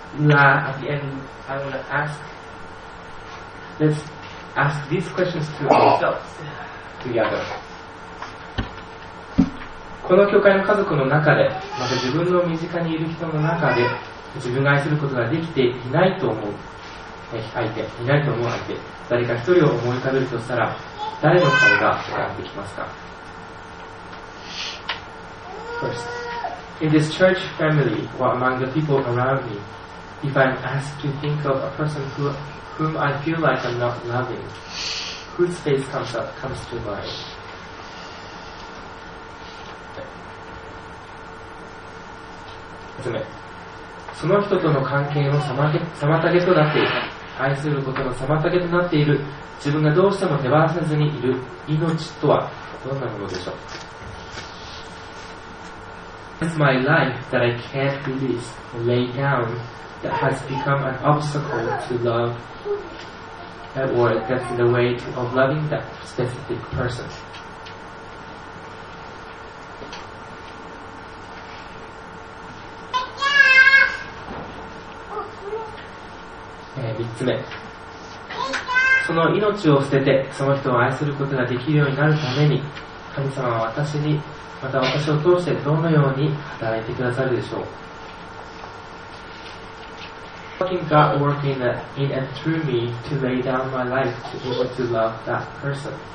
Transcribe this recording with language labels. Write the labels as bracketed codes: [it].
[en] at the end, I want to ask, let's ask these questions to ourselves. [ja] この教会の家族の中で、また自分の身近にいる人の中で、自分が愛することができていないと思う相手、いないと思う相手、誰か一人を思い浮かべるとしたら、誰の顔が浮かんできますか [en] ？First, in this church family or among the people around me, if I'm asked to think of a person whom I feel like I'm not loving. Whose face comes to mind? [ja] その人との関係の妨げとなっている、愛することの妨げとなっている、自分がどうしても手放せずにいる命とはどんなものでしょう。 [en] It's my life that I can't release and lay down that has become an obstacle to loveThat word gets in the way of loving that specific person. Three. [ja] その命を捨てて、その人を愛することができるようになるために、神様は私に、また私を通してどのように働いてくださるでしょう。 [en] How can God work in and through me to lay down my life to be able to love that person?